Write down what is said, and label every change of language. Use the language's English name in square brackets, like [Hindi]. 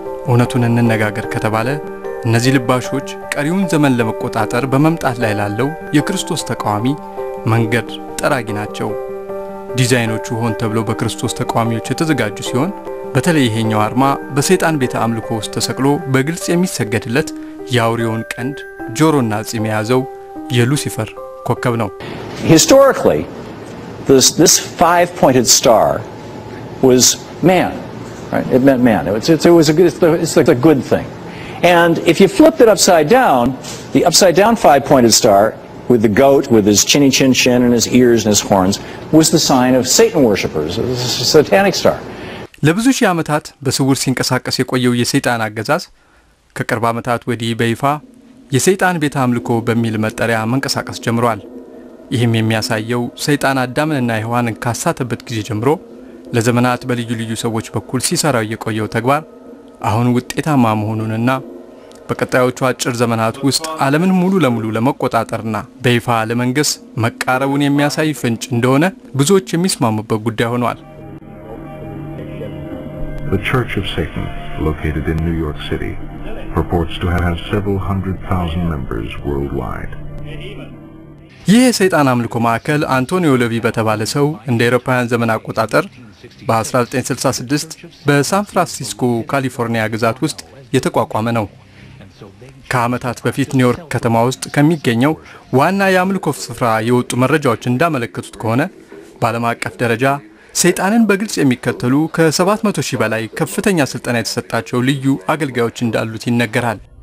[Amharic] እውነቱን እንነጋገር ከተባለ እነዚህ ልባሾች ቀሪውን ዘመን ለመቆጣጠር በመምጣት ላይ ላለው የክርስቶስ ተቃዋሚ መንገድ ጠራጊ ናቸው። ዲዛይኖቹ ሆን ተብለው በክርስቶስ ተቃዋሚዎች የተዘጋጁ ሲሆን በተለይ ይሄኛው አርማ በሰይጣን ቤተ አምልኮ ውስጥ ተሰቅሎ በግልጽ የሚሰገድለት የአውሬውን ቀንድ፣ ጆሮና ጺም የያዘው የሉሲፈር ኮከብ ነው። [English] Historically, this five-pointed star was man, right? It meant man. It's a good thing. And if you flipped it upside down, the upside-down five-pointed star with the goat with his chinny chin chin and his ears and his horns was the sign of Satan worshippers, the satanic star. [Amharic] ለብዙ ሺህ ዓመታት በስውር ሲንቀሳቀስ የቆየው የሰይጣን አገዛዝ ከቅርብ ዓመታት ወዲህ በይፋ የሰይጣን ቤተ አምልኮ በሚል መጠሪያ መንቀሳቀስ ጀምሯል። ይህም የሚያሳየው ሰይጣን አዳምንና ሔዋንን ካሳተበት ጊዜ ጀምሮ ለዘመናት በልዩ ልዩ ሰዎች በኩል ሲሰራው የቆየው ተግባር አሁን ውጤታማ መሆኑንና በቀጣዮቹ አጭር ዘመናት ውስጥ ዓለምን ሙሉ ለሙሉ ለመቆጣጠርና በይፋ ለመንገስ መቃረቡን የሚያሳይ ፍንጭ እንደሆነ ብዙዎች የሚስማሙበት ጉዳይ ሆኗል። [English] The Church of Satan, located in New York City, purports to have several hundred thousand members worldwide. [Amharic] ይህ የሰይጣን አምልኮ ማዕከል አንቶኒዮ ሌቪ በተባለ ሰው እንደ አውሮፓውያን ዘመን አቆጣጠር በ1966 በሳን ፍራንሲስኮ ካሊፎርኒያ ግዛት ውስጥ የተቋቋመ ነው። ከአመታት በፊት ኒውዮርክ ከተማ ውስጥ ከሚገኘው ዋና የአምልኮ ስፍራ የወጡ መረጃዎች እንዳመለከቱት ከሆነ በዓለም አቀፍ ደረጃ ሰይጣንን በግልጽ የሚከተሉ ከ700,000 በላይ ከፍተኛ ስልጣን የተሰጣቸው ልዩ አገልጋዮች እንዳሉት ይነገራል።